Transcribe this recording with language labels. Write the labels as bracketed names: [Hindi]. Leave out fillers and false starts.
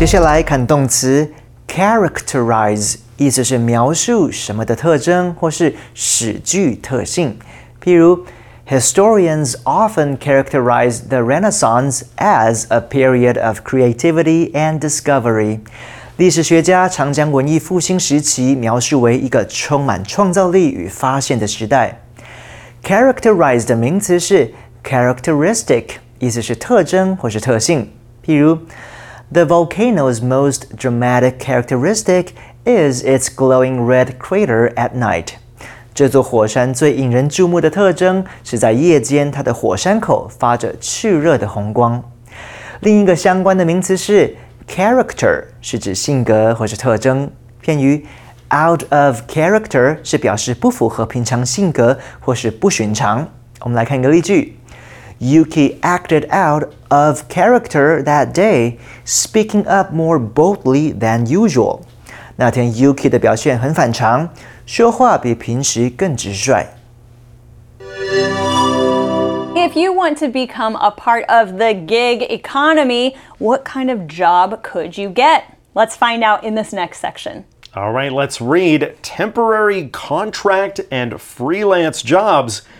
[Chinese] Characterize 意思是描述什么的特征或是史具特性。譬如 [English] ,Historians often characterize the Renaissance as a period of creativity and discovery. [Chinese] 历史学家常将文艺复兴时期描述为一个充满创造力与发现的时代。 Characterize 的名词是 characteristic, 意思是特征或是特性。譬如 [English] The volcano's most dramatic characteristic is its glowing red crater at night. [Chinese] 这座火山最引人注目的特征是在夜间它的火山口发着炽热的红光。另一个相关的名词是 character, 是指性格或是特征。片语 [English] out of character [Chinese] 是表示不符合平常性格或是不寻常。我们来看一个例句。 [English] Yuki acted out of character that day, speaking up more boldly than usual. [Chinese] 那天 Yuki 的表现很反常，说话比平时更直率。 [English] If you want to become a part of the gig economy, what kind of job could you get? Let's find out in this next section. All right, let's read. Temporary contract and freelance jobs.